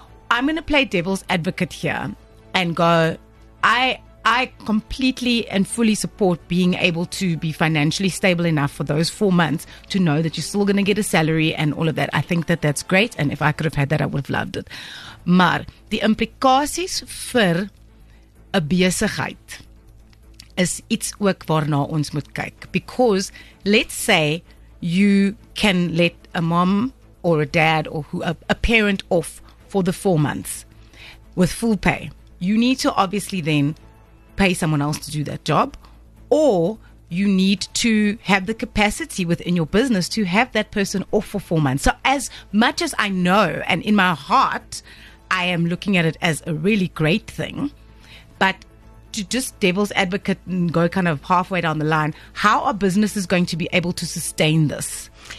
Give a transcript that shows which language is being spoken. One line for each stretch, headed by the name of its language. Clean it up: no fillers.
English: I'm going to play devil's advocate here and go, I completely and fully support being able to be financially stable enough for those 4 months to know that you're still going to get a salary and all of that. I think that that's great. And if I could have had that, I would have loved it.
Afrikaans: Maar die implikasies vir 'n besigheid is iets ook waarna ons moet kyk.
English: Because let's say you can let a mom or a dad or a parent off for the 4 months with full pay. You need to obviously then pay someone else to do that job, or you need to have the capacity within your business to have that person off for 4 months. So as much as I know, and in my heart, I am looking at it as a really great thing, but to just devil's advocate and go kind of halfway down the line, how are businesses going to be able to sustain this?